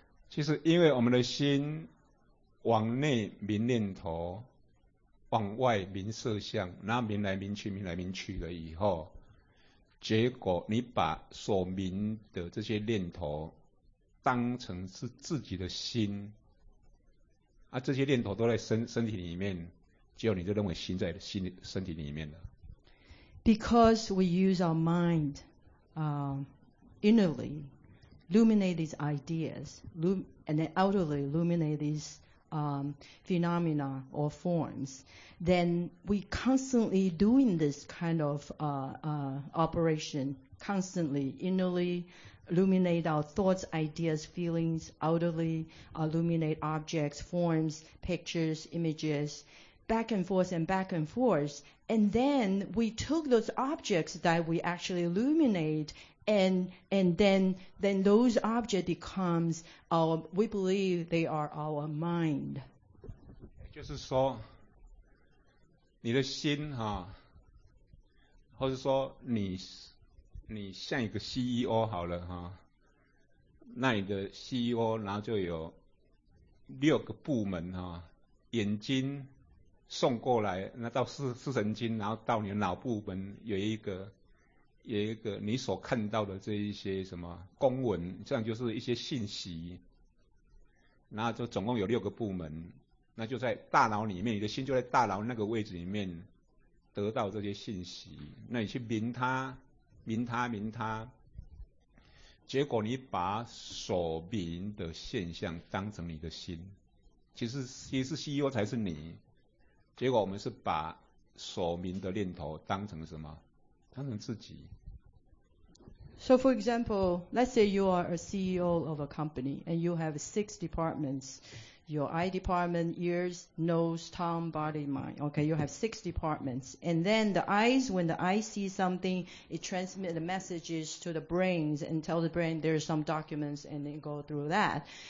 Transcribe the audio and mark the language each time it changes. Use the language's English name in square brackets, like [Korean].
[Chinese] 其实因为我们的心往内明念头，往外明色相，然后明来明去，明来明去了以后，结果你把所明的这些念头当成是自己的心。啊，这些念头都在身体里面，只有你就认为心在身体里面了。 [English] Because we use our mind innerly, illuminate these ideas, and then outwardly illuminate these phenomena or forms, then we constantly doing this kind of operation, constantly innerly illuminate our thoughts, ideas, feelings, outwardly illuminate objects, forms, pictures, images, back and forth and back and forth. And then we took those objects that we actually illuminate, and then those objects becomes our, we believe they are our mind. [Chinese] 就是说你的心啊，或是说你像一个 CEO 好了啊，那你的 CEO 然后就有六个部门啊，眼睛送过来，那到视神经，然后到你的脑部门，有一个你所看到的这一些什么公文，这样就是一些信息，然后就总共有六个部门，那就在大脑里面，你的心就在大脑那个位置里面得到这些信息，那你去明它，明它，明它，结果你把所明的现象当成你的心，其实 CEO 才是你。结果我们是把所明的念头当成什么？当成自己。 [English] So for example, let's say you are a CEO of a company and you have six departments. Your eye department, ears, nose, tongue, body, mind. Okay, you have six departments. And then the eyes, when the eye sees something, it transmits the messages to the brains and tell the brain there's some documents and then go through that.